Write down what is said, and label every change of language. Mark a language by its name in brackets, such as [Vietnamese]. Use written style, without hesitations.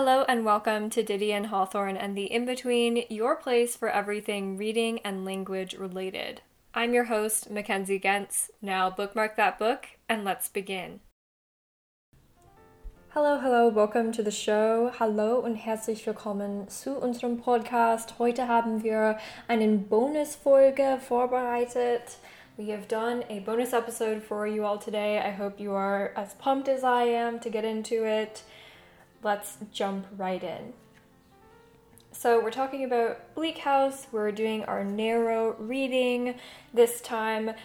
[English] and welcome to Diddy and Hawthorne and the In-Between, your place for everything reading and language related. I'm your host, Mackenzie Gentz. Now bookmark that book and let's begin. Hello, hello, welcome to the show. [German] Hallo und herzlich willkommen zu unserem Podcast. Heute haben wir eine Bonusfolge vorbereitet. [English] We have done a bonus episode for you all today. I hope you are as pumped as I am to get into it. Let's jump right in. So we're talking about Bleak House. We're doing our narrow reading this time.